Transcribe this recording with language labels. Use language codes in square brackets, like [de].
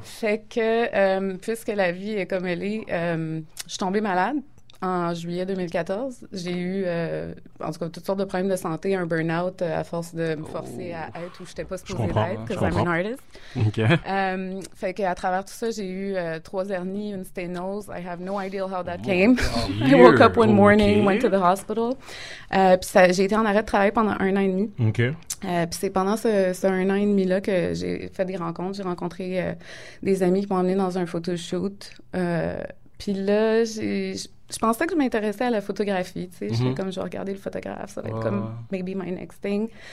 [fr] Fait que, puisque la vie est comme elle est, je suis tombée malade. En juillet 2014, j'ai eu, en tout cas, toutes sortes de problèmes de santé, un burn-out à force de me forcer à être où je n'étais pas supposée être, parce que [en] I'm an artist. OK. [fr] Fait qu'à travers tout ça, j'ai eu 3 hernies, une sténose. [en] I have no idea how that came. I woke up one morning, went to the hospital. [fr] Puis j'ai été en arrêt de travail pendant 1 an et demi. OK. Puis c'est pendant ce 1 an et demi-là que j'ai fait des rencontres. J'ai rencontré des amis qui m'ont emmené dans un photoshoot. Puis là, je pensais que je m'intéressais à la photographie, tu sais. Mm-hmm. J'étais comme, je vais regarder le photographe, ça va être comme [en] maybe my next thing.